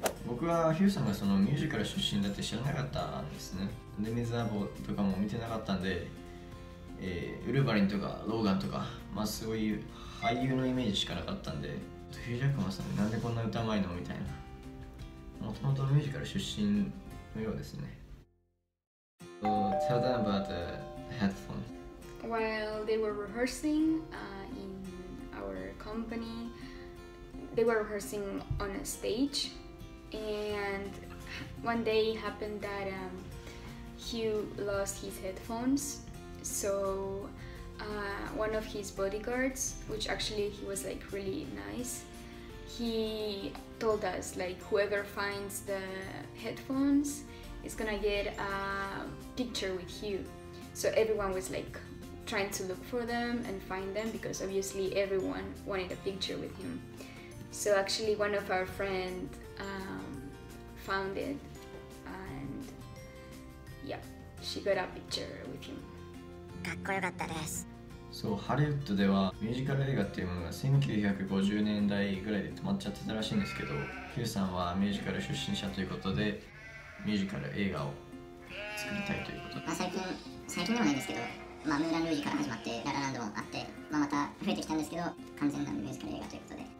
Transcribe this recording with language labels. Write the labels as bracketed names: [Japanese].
[Japanese] 僕はヒューさんがそのミュージカル出身だって知らなかったんですね。で、ミズナボとかも見てなかったんで、ウルヴァリンとかローガンとか、まあ、すごい俳優のイメージしかなかったんで、ヒュー・ジャックマンさんなんでこんな歌うまいのみたいな、もともとミュージカル出身のようですね。 [English] So, tell them about the headphones. While they were rehearsing in our company, they were rehearsing on a stage. And one day it happened that Hugh lost his headphones. So, one of his bodyguards, which actually he was like really nice. He told us, like, whoever finds the headphones is gonna get a picture with Hugh. So everyone was like trying to look for them and find them because obviously everyone wanted a picture with him. So actually, one of our friends found it and yeah, she got a picture with him. [Japanese] かっこよかったです。そう、ハリウッドではミュージカル映画っていうものが1950年代ぐらいで止まっちゃってたらしいんですけど、ヒューさんはミュージカル出身者ということで、ミュージカル映画を作りたいということで、まあ、最近ではないんですけど、まあ、ムーラン・ルージュから始まってララランドもあって、まあ、また増えてきたんですけど、完全なミュージカル映画ということで、